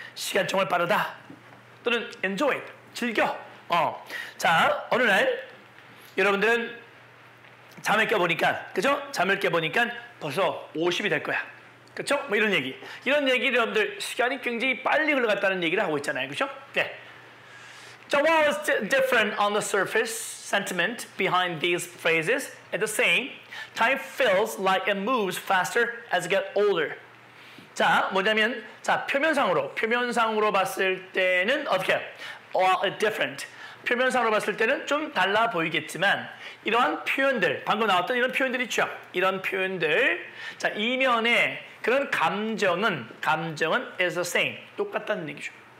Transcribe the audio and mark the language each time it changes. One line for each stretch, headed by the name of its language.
Korean: 시간 정말 빠르다. 또는 enjoy, 즐겨. 자, 어느 날 여러분들은 잠을 깨보니까, 그죠? 잠을 깨보니까 벌써 50이 될 거야. 그쵸? 뭐 이런 얘기. 이런 얘기를 여러분들 시간이 굉장히 빨리 흘러갔다는 얘기를 하고 있잖아요. 그쵸? 네.
English: So what was different on the surface sentiment behind these phrases? At the same, time feels like it moves faster as you get older.
Korean: 자, 뭐냐면, 자, 표면상으로 봤을 때는 어떻게?
English: Well, different.
Korean: 표면상으로 봤을 때는 좀 달라 보이겠지만, 이러한 표현들, 방금 나왔던 이런 표현들이 있죠. 이런 표현들, 자, 이면에 그런 감정은
English: is the same.
Korean: 똑같다는 얘기죠.